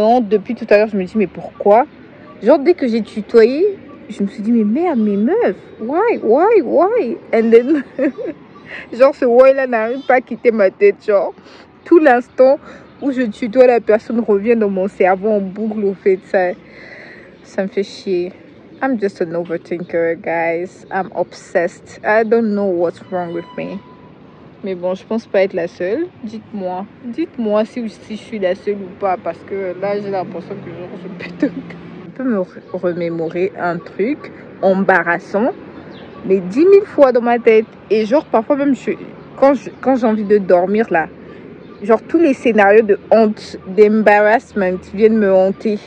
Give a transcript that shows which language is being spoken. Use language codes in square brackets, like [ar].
[fr] Depuis tout à l'heure, je me dis, mais pourquoi? Genre, dès que j'ai tutoyé, je me suis dit, mais merde, mes meufs, why? [en] And then, [fr] genre, ce why-là n'arrive pas à quitter ma tête, genre. Tout l'instant où je tutoie, la personne revient dans mon cerveau en boucle, au fait, ça me fait chier. [en] I'm just an overthinker, guys. I'm obsessed. I don't know what's wrong with me. [fr] Mais bon, je pense pas être la seule. Dites-moi si je suis la seule ou pas, parce que là, j'ai l'impression que genre, je pète. Je peux me remémorer un truc embarrassant, mais 10 000 fois dans ma tête. Et genre, parfois même, quand j'ai envie de dormir là, genre tous les scénarios de honte, d'embarrassment qui viennent me hanter.